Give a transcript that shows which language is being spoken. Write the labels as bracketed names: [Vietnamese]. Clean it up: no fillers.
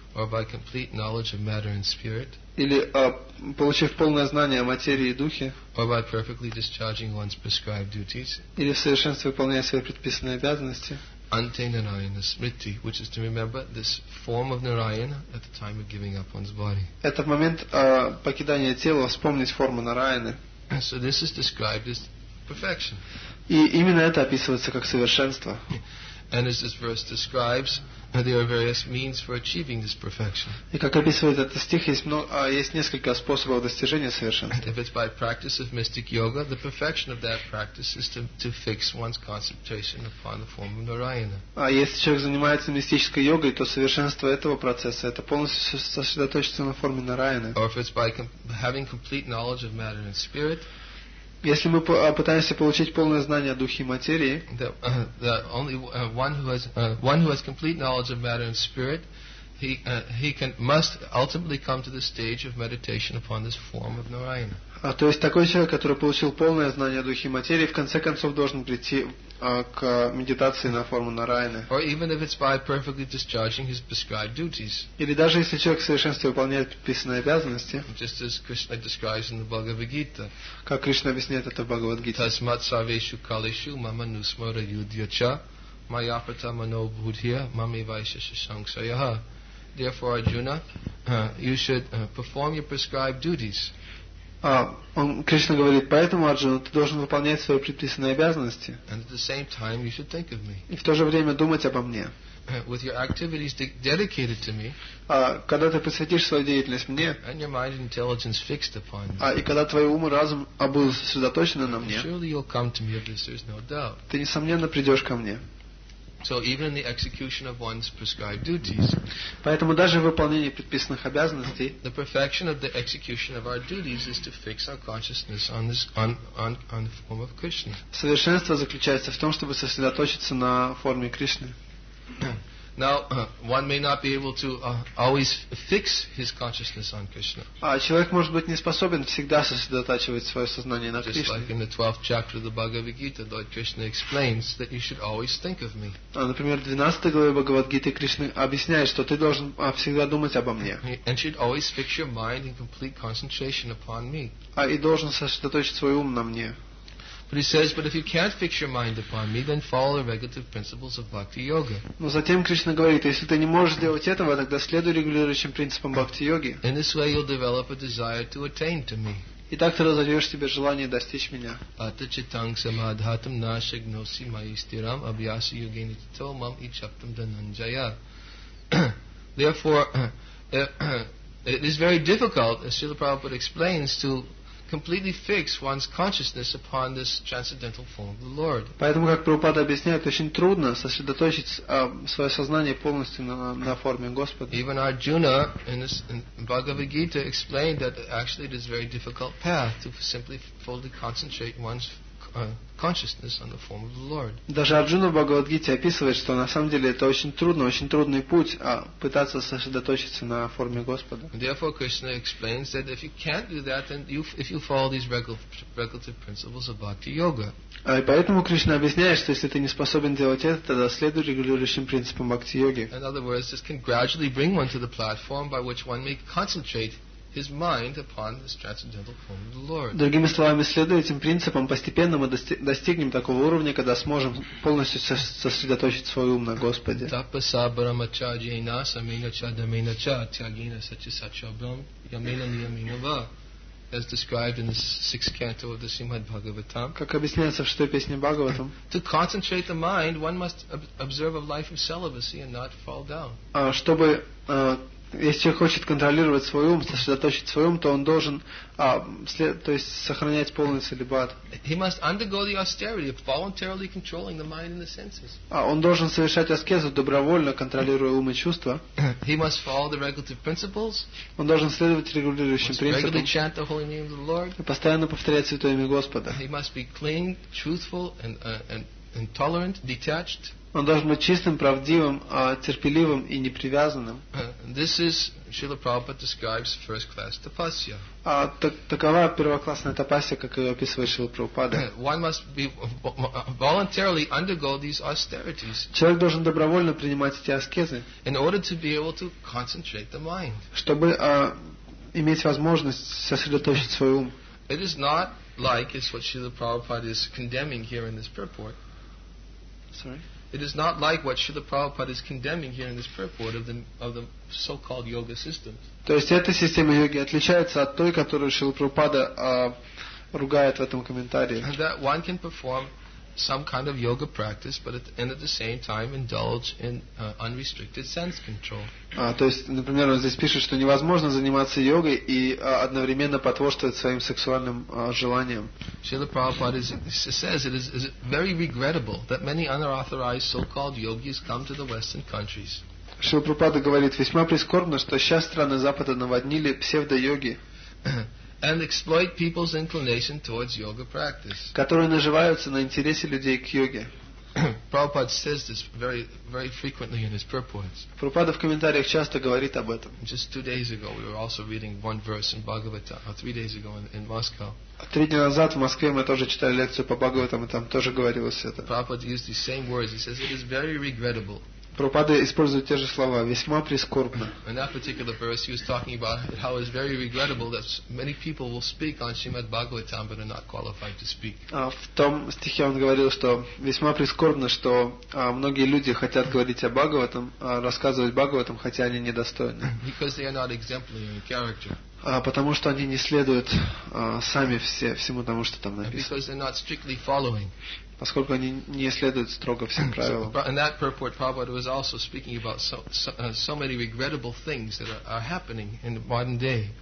[English] or by complete knowledge of matter and spirit, [Russian] или получив полное знание о материи и духе, [English] or by perfectly discharging one's prescribed duties, [Russian] или в совершенстве выполняя свои предписанные обязанности, [English] Ante Narayana Smriti, which is to remember this form of Narayana at the time of giving up one's body. [Russian] Это в момент покидания тела вспомнить форму Нараяны. [English] So this is described as perfection. [Russian] И именно это описывается как совершенство. [English] And as this verse describes, there are various means for achieving this perfection. [Russian] И как описывает этот стих, есть несколько способов достижения совершенства. [English] If it's by practice of mystic yoga, the perfection of that practice is to fix one's concentration upon the form of Narayana. [Russian] А если человек занимается мистической йогой, то совершенство этого процесса — это полностью сосредоточиться на форме Нараяны. [English] Or if it's by having complete knowledge of matter and spirit. [Russian] Если мы пытаемся получить полное знание о духе и материи, [English] one who has complete knowledge of matter and spirit, he must ultimately come to the stage of meditation upon this form of Narayana. [Russian] То есть такой человек, который получил полное знание о духе и материи, в конце концов должен прийти к медитации на форму Нараяны. [English] Or even if it's by perfectly discharging his prescribed duties. [Russian] Или даже если человек в совершенстве выполняет предписанные обязанности. [English] Just as Krishna describes in the Bhagavad Gita. [Russian] Как Кришна объясняет это в Бхагавад Гите. [Sanskrit] Тасмат сарвешу калешу мама нусмара юдьяча майя прата мано будхия мами вайшеша сангсаяха. [English] Therefore, Arjuna, you should perform your prescribed duties. [Russian] Кришна говорит, поэтому, Арджуна, ты должен выполнять свои предписанные обязанности. [English] And at the same time, you should think of me. [Russian] И в то же время думать обо мне. [English] With your activities dedicated to me. [Russian] Когда ты посвятишь свою деятельность мне. [English] And your mind and intelligence fixed upon me. [Russian] И когда твой ум и разум будут сосредоточены на мне. [English] Surely you'll come to me, this there's no doubt. [Russian] Ты несомненно придешь ко мне. [English] So even in the execution of one's prescribed duties. [Russian] Поэтому даже в выполнении предписанных обязанностей. [English] The perfection of the execution of our duties is to fix our consciousness on this on the form of Krishna. [Russian] Совершенство заключается в том, чтобы сосредоточиться на форме Кришны. [English] Now, one may not be able to always fix his consciousness on Krishna. [Russian] Человек может быть не способен всегда сосредотачивать свое сознание на Кришне. [English] Just like in the 12th chapter of the Bhagavad Gita, Lord Krishna explains that you should always think of me. [Russian] Например, в 12 главе Бхагавад Гиты Кришна объясняет, что ты должен всегда думать обо мне. [English] And should always fix your mind in complete concentration upon me. [Russian] И должен сосредоточить свой ум на мне. [English] But he says, but if you can't fix your mind upon me, then follow the regulative principles of bhakti yoga. [Russian] Но затем Кришна говорит, если ты не можешь сделать этого, тогда следуй регулирующим принципам бхакти йоги. [English] In this way, you'll develop a desire to attain to me. [Russian] И так ты разовьешь себе желание достичь меня. [Sanskrit] Ата читанг самадхатам нашагноси майстирам абьяси йогини тито мам ичаптам дананджая. [English] Therefore, it is very difficult, as Srila Prabhupada explains, to completely fix one's consciousness upon this transcendental form of the Lord. [Russian] Поэтому, как Прабхупада объясняет, очень трудно сосредоточить свое сознание полностью на форме Господа. [English] Even Arjuna in Bhagavad Gita explained that actually it is a very difficult path to simply fully concentrate one's consciousness and the form of the Lord. [Russian] Даже Арджуна в Бхагавад-гите описывает, что на самом деле это очень трудный путь, а пытаться сосредоточиться на форме Господа. [English] Therefore, Krishna explains that if you can't do that, then you, if you follow these regulative principles of bhakti yoga. [Russian] И поэтому Кришна объясняет, что если ты не способен делать это, тогда следуй регулирующим принципам бхакти-йоги. [English] In other words, this can gradually bring one to the platform by which one may concentrate his mind upon this transcendental form of the Lord. [Russian] Другими словами, следуя этим принципам, постепенно мы достигнем такого уровня, когда сможем полностью сосредоточить свой ум на Господе. [Sanskrit] Тапаса брамачарьяйна самина чадамина ча тягина сача сача брам ямина ниямина ва. [English] As described in the sixth canto of the Srimad Bhagavatam. [Russian] Как объясняется в шестой песне Бхагаватам. [English] To concentrate the mind, one must observe a life of celibacy and not fall down. [Russian] Чтобы если человек хочет контролировать свой ум, сосредоточить свой ум, то он должен, то есть сохранять полный целибат. [English] He must undergo the austerity of voluntarily controlling the mind and the senses. [Russian] Он должен совершать аскезу добровольно, контролируя ум и чувства. [English] He must follow the regulative principles. [Russian] Он должен следовать регулирующим принципам. [English] Regularly chant the holy name of the Lord. [Russian] И постоянно повторять святое имя Господа. [English] He must be clean, truthful, and tolerant, detached. [Russian] Он должен быть чистым, правдивым, терпеливым и непривязанным. [English] This is Srila Prabhupada describes first class tapasya. [Russian] Такова первоклассная тапасья, как ее описывает Шрила Прабхупада. [English] One must be voluntarily undergo these austerities. [Russian] Человек должен добровольно принимать эти аскезы. [English] In order to be able to concentrate the mind. [Russian] Чтобы иметь возможность сосредоточить свой ум. [English] It is not like it's what Srila Prabhupada is condemning here in this purport. Sorry. It is not like what Srila Prabhupada is condemning here in this purport of the so-called yoga system. [Russian] То есть эта система йоги отличается от той, которую Шрила Прабхупада ругает в этом комментарии. [English] That one can perform some kind of yoga practice, but at the same time indulge in unrestricted sense control. [Russian] То есть, например, он здесь пишет, что невозможно заниматься йогой и одновременно потворствовать своим сексуальным желаниям. [English] Srila Prabhupada says it is very regrettable that many unauthorized so-called yogis come to the Western countries. [Russian] Шрила Прабхупада говорит, весьма прискорбно, что сейчас страны Запада наводнили псевдо-йоги. [English] And exploit people's inclination towards yoga practice. [Russian] Которые наживаются на интересе людей к йоге. [English] Prabhupada says this very, very frequently in his purports. [Russian] Прабхупада в комментариях часто говорит об этом. [English] Just 2 days ago, we were also reading one verse in Bhagavatam. 3 days ago in Moscow. [Russian] 3 дня назад в Москве мы тоже читали лекцию по Бхагаватам, и там тоже говорилось это. [English] Prabhupada used the same words. He says it is very regrettable. [Russian] Прабхупада использует те же слова, весьма прискорбно. [English] In that particular verse, he was talking about how it's very regrettable that many people will speak on Srimad Bhagavatam but are not qualified to speak. [Russian] В том стихе он говорил, что весьма прискорбно, что многие люди хотят говорить о Бхагаватам, рассказывать Бхагаватам, хотя они недостойны. [English] Because they are not exemplary in character. [Russian] Потому что они не следуют сами всему тому, что там написано. [English] Because they're not strictly following. [Russian] Поскольку они не следуют строго всем правилам. [English] In that purport, Prabhupada was also speaking about so many regrettable things that are happening in the modern day.